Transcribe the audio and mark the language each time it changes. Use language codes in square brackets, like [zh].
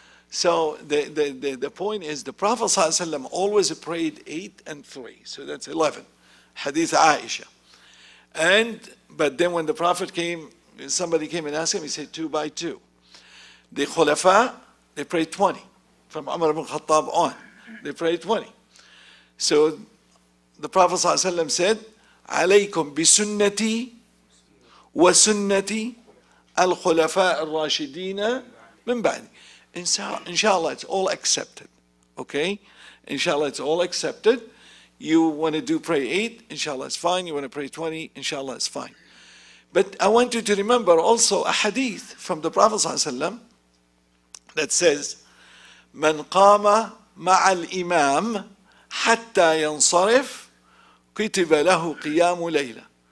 [en] So the point is, the Prophet صلى الله عليه وسلم always prayed 8 and 3, so that's 11, Hadith Aisha. And, but then when the Prophet came, somebody came and asked him, he said 2 by 2. The Khulafa, they prayed 20. From Umar ibn Khattab on, they prayed 20. So the Prophet [ar] صلى الله عليه وسلم said, عليكم بسنتي وسنتي الخلفاء الراشدين من بعدي. [en] Inshallah, it's all accepted. Okay? Inshallah, it's all accepted. You want to do pray 8, inshallah, it's fine. You want to pray 20, inshallah, it's fine. But I want you to remember also a hadith from the Prophet صلى الله عليه وسلم that says, [ar] من قام مع الإمام حتى ينصرف كتب له قيام ليلة.